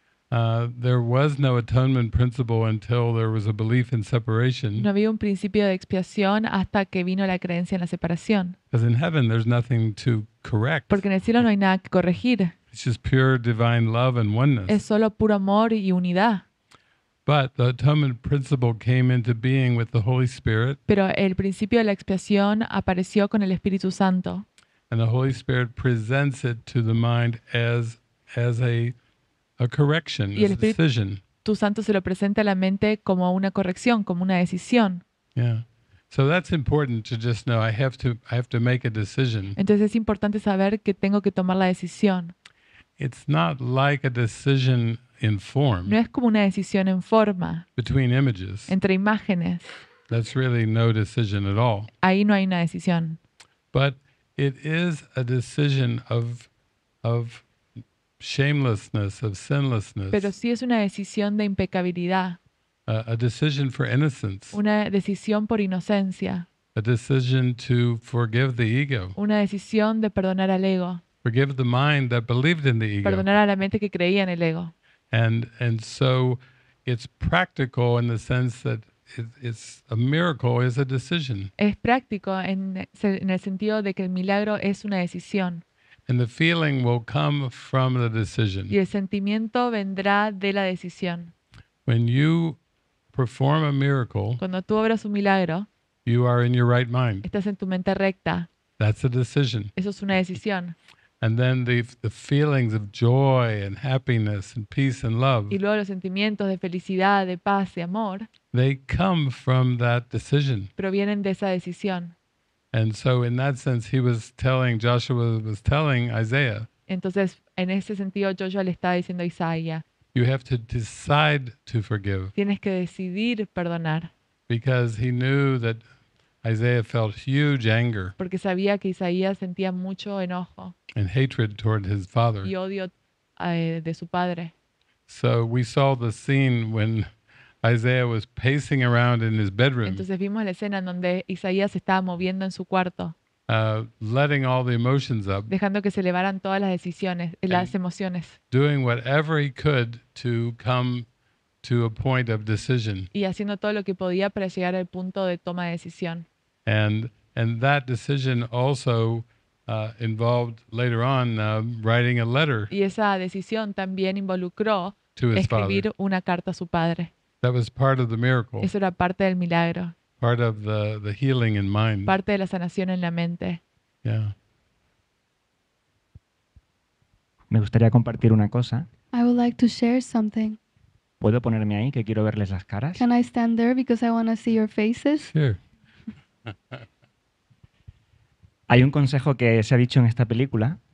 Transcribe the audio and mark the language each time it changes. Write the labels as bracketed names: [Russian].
[English] There was no atonement principle until there was a belief in separation. [Spanish] No había un principio de expiación hasta que vino la creencia en la separación. [English] Because in heaven there's nothing to correct. [Spanish] Porque en el cielo no hay nada que corregir. [English] It's just pure divine love and oneness. [Spanish] Es solo puro amor y unidad. [English] But the atonement principle came into being with the Holy Spirit. [Spanish] Pero el principio de la expiación apareció con el Espíritu Santo. [English] And the Holy Spirit presents it to the mind as a correction, [Spanish] y el Espíritu, [English] a decision. [Spanish] Tu Santo se lo presenta a la mente como una corrección, como una decisión. Yeah. [English] So that's important to just know I have to make a decision. [Spanish] Entonces es importante saber que tengo que tomar la decisión. [English] It's not like a decision in form. [Spanish] No es como una decisión en forma. [English] Between images. [Spanish] Entre imágenes. [English] That's really no decision at all. [Spanish] Ahí no hay una decisión. [English] But it is a decision of shamelessness, of sinlessness. [Spanish] Pero sí es una decisión de impecabilidad. [English] A decision for innocence. [Spanish] Una decisión por inocencia. [English] A decision to forgive the ego. [Spanish] Una decisión de perdonar al ego. [English] Forgive the mind that believed in the ego. [Spanish] Perdonar a la mente que creía en el ego. [English] And so it's practical in the sense that it's a miracle is a decision. [Spanish] Es práctico en el sentido de que el milagro es una decisión. [English] And the feeling will come from the decision. [Spanish] Y el sentimiento vendrá de la decisión. [English] When you perform a miracle, [Spanish] cuando tú obras un milagro, [English] you are in your right mind. [Spanish] Estás en tu mente recta. [English] That's a decision. [Spanish] Eso es una decisión. [English] And then the feelings of joy and happiness and peace and love. [Spanish] Y luego los sentimientos de felicidad, de paz y amor. [English] They come from that decision. [Spanish] Provienen de esa decisión. [English] And so in that sense, Joshua was telling Isaiah. [Spanish] Entonces, en ese sentido, Joshua le está diciendo a Isaías. [English] You have to decide to forgive. [Spanish] Tienes que decidir perdonar. [English] Because he knew that Isaiah felt huge anger. [Spanish] Porque sabía que Isaías sentía mucho enojo. [English] And hatred toward his father. [Spanish] Y odio de su padre. [English] So we saw the scene when Isaiah was pacing around in his bedroom. [Spanish] Entonces vimos la escena en donde Isaías estaba moviendo en su cuarto. [English] Letting all the emotions up. [Spanish] Dejando que se elevaran todas las decisiones, las emociones. [English] Doing whatever he could to come to a point of decision. [Spanish] Y haciendo todo lo que podía para llegar al punto de toma de decisión. [English] And that decision also involved later on writing a letter. [Spanish] Y esa decisión también involucró escribir una carta a su padre. [English] That was part of the miracle. [Spanish] Eso era parte del milagro. [English] Part of the healing in mind. [Spanish] Parte de la sanación en la mente. Yeah. Me gustaría compartir una cosa. [English] I would like to share something. [Spanish] ¿Puedo ponerme ahí que quiero verles las caras? [English] Can I stand there because I want to see your faces? Sure. [Spanish] Hay un consejo que se ha dicho en esta película.